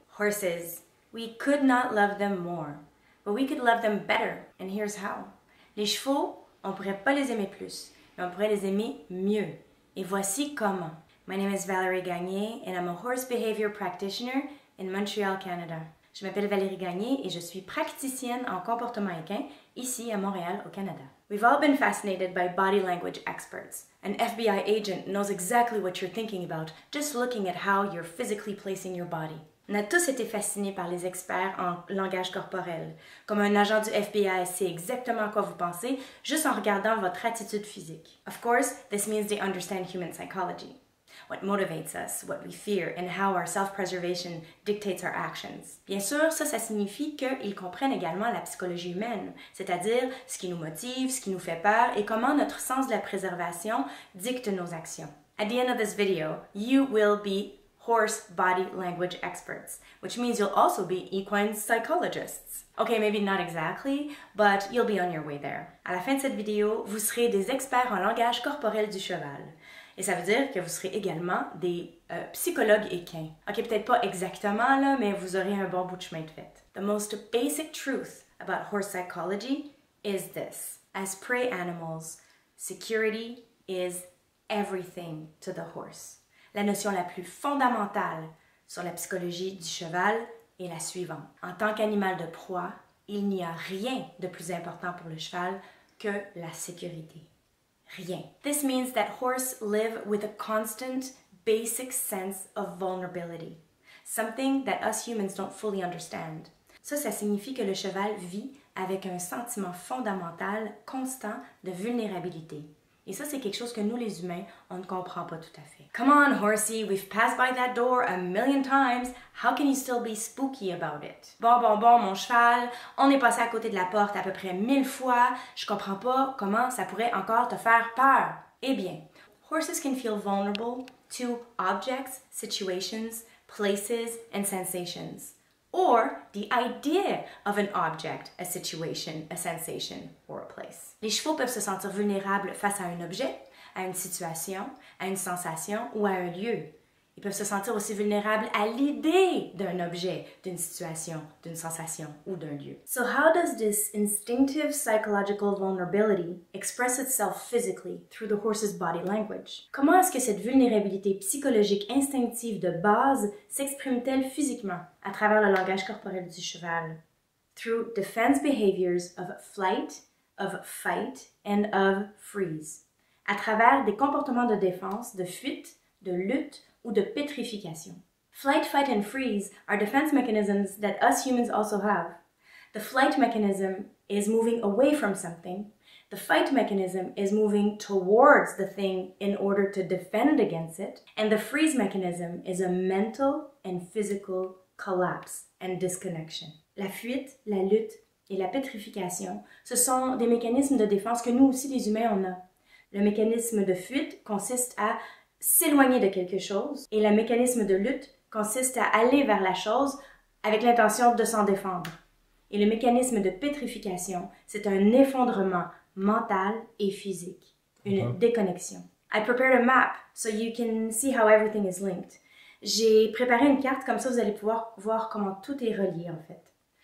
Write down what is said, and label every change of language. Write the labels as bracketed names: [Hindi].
[English] Horses, we could not love them more, but we could love them better, and here's how. [French] Les chevaux, on pourrait pas les aimer plus, mais on pourrait les aimer mieux. Et voici comment. [English] My name is Valérie Gagné, and I'm a horse behavior practitioner in Montreal, Canada. [French] Je m'appelle Valérie Gagné, et je suis praticienne en comportement équin ici à Montréal, au Canada. [English] We've all been fascinated by body language experts. An FBI agent knows exactly what you're thinking about, just looking at how you're physically placing your body. [French] On a tous été fascinés par les experts en langage corporel. Comme un agent du FBI sait exactement à quoi vous pensez, juste en regardant votre attitude physique. [English] Of course, this means they understand human psychology. What motivates us, what we fear, and how our self-preservation dictates our actions. [French] Bien sûr, ça signifie qu'ils comprennent également la psychologie humaine, c'est-à-dire ce qui nous motive, ce qui nous fait peur, et comment notre sens de la préservation dicte nos actions. [English] At the end of this video, you will be horse body language experts, which means you'll also be equine psychologists. Okay, maybe not exactly, but you'll be on your way there. [French] À la fin de cette vidéo, vous serez des experts en langage corporel du cheval. Et ça veut dire que vous serez également des psychologues équins. Ok, peut-être pas exactement là, mais vous aurez un bon bout de chemin de fait. [English] The most basic truth about horse psychology is this. As prey animals, security is everything to the horse. [French] La notion la plus fondamentale sur la psychologie du cheval est la suivante. En tant qu'animal de proie, il n'y a rien de plus important pour le cheval que la sécurité. Rien. [English] This means that horses live with a constant, basic sense of vulnerability, something that us humans don't fully understand. [French] Ça signifie que le cheval vit avec un sentiment fondamental constant de vulnérabilité. Et ça, c'est quelque chose que nous, les humains, on ne comprend pas tout à fait. [English] Come on, horsey, we've passed by that door a million times. How can you still be spooky about it? [French] Bon, mon cheval, on est passé à côté de la porte à peu près 1000 fois. Je comprends pas comment ça pourrait encore te faire peur. Eh bien, [English] horses can feel vulnerable to objects, situations, places, and sensations. Or the idea of an object, a situation, a sensation, or a place. [French] Les chevaux peuvent se sentir vulnérables face à un objet, à une situation, à une sensation ou à un lieu. Ils peuvent se sentir aussi vulnérables à l'idée d'un objet, d'une situation, d'une sensation ou d'un lieu. [English] So how does this instinctive psychological vulnerability express itself physically through the horse's body language? [French] Comment est-ce que cette vulnérabilité psychologique instinctive de base s'exprime-t-elle physiquement à travers le langage corporel du cheval? [English] Through defense behaviors of flight, of fight, and of freeze. [French] À travers des comportements de défense, de fuite, de lutte, ou de pétrification. [English] Flight, fight, and freeze are defense mechanisms that us humans also have. The flight mechanism is moving away from something. The fight mechanism is moving towards the thing in order to defend against it. And the freeze mechanism is a mental and physical collapse and disconnection. [French] La fuite, la lutte et la pétrification, ce sont des mécanismes de défense que nous aussi les humains on a. Le mécanisme de fuite consiste à s'éloigner de quelque chose, et le mécanisme de lutte consiste à aller vers la chose avec l'intention de s'en défendre. Et le mécanisme de pétrification, c'est un effondrement mental et physique, une déconnexion. [English] I prepared a map so you can see how everything is linked. [French] J'ai préparé une carte, comme ça vous allez pouvoir voir comment tout est relié en fait.